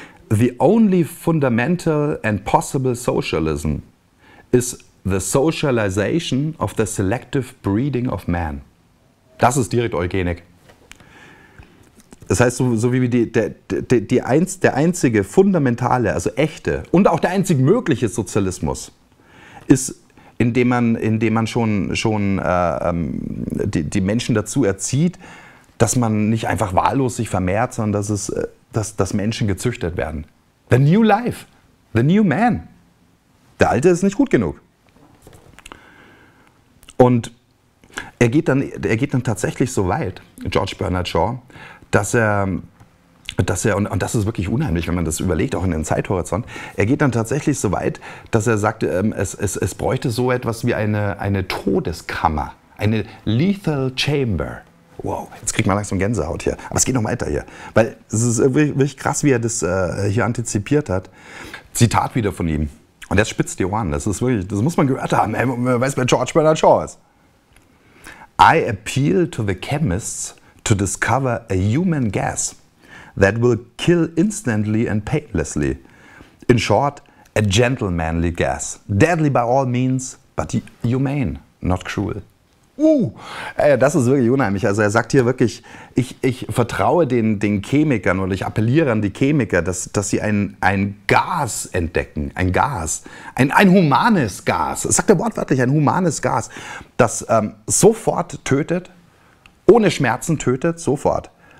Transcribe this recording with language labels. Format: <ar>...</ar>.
<en>The only fundamental and possible socialism is the socialization of the selective breeding of man.</en> <de>Das ist direkt Eugenik. Das heißt, so wie der einzige fundamentale, also echte und auch der einzig mögliche Sozialismus ist, indem man schon die Menschen dazu erzieht, dass man nicht einfach wahllos sich vermehrt, sondern dass Menschen gezüchtet werden.</de> <en>The new life, the new man.</en> <de>Der alte ist nicht gut genug. Und er geht dann tatsächlich so weit, George Bernard Shaw, dass er, und das ist wirklich unheimlich, wenn man das überlegt, auch in den Zeithorizont, er geht dann tatsächlich so weit, dass er sagt, es bräuchte so etwas wie eine Todeskammer, eine Lethal Chamber. Wow, jetzt kriegt man langsam Gänsehaut hier. Aber es geht noch weiter hier, weil es ist wirklich krass, wie er das hier antizipiert hat. Zitat wieder von ihm. Und jetzt spitzt die Ohren, das ist wirklich, das muss man gehört haben, ey, man weiß, wer George Bernard Shaw ist.</de> <en>I appeal to the chemists to discover a human gas that will kill instantly and painlessly. In short, a gentlemanly gas. Deadly by all means, but humane, not cruel.</en> <de>Ey, das ist wirklich unheimlich. Also er sagt hier wirklich, ich vertraue den Chemikern oder ich appelliere an die Chemiker, dass sie ein Gas entdecken. Ein Gas. Ein humanes Gas. Das sagt er wortwörtlich, ein humanes Gas, das sofort tötet, ohne Schmerzen tötet, sofort.</de>